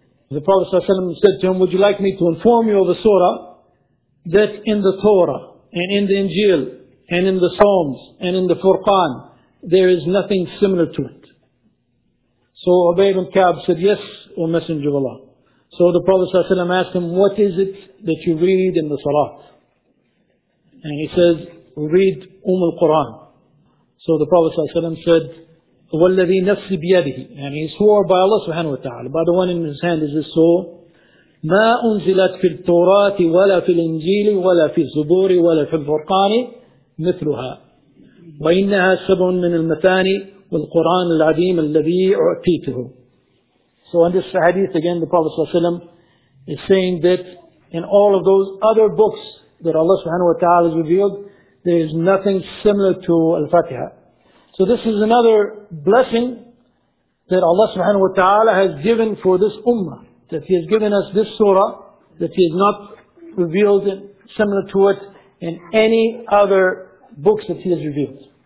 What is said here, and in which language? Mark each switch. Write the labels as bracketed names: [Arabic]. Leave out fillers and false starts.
[English] The Prophet Sallallahu Alaihi Wasallam said to him, would you like me to inform you of a surah that in the Torah and in the Injil, and in the Psalms, and in the Furqan, there is nothing similar to it. So Ubay ibn Ka'b said, yes, O Messenger of Allah. So the Prophet ﷺ asked him, what is it that you read in the Salat? And he says, read al-Qur'an. So the Prophet ﷺ said, [Arabic] وَالَّذِي نَفْسِ بِيَدِهِ, [English] and he swore by Allah subhanahu wa ta'ala, by the one in his hand is his soul, [Arabic] مَا أُنزِلَتْ فِي التُّورَاتِ وَلَا فِي الْإِنْجِيلِ وَلَا فِي الزُّبُورِ وَلَا فِي الْفُرْقَانِ مثلها وإنها سبع من المثاني والقرآن العظيم الذي أعطيته. [English] So in this hadith again the Prophet Sallallahu Alaihi Wasallam is saying that in all of those other books that Allah Subhanahu Wa Ta'ala has revealed, there is nothing similar to Al-Fatiha. So this is another blessing that Allah Subhanahu Wa Ta'ala has given for this ummah, that He has given us this surah that He has not revealed similar to it in any other books that he has revealed.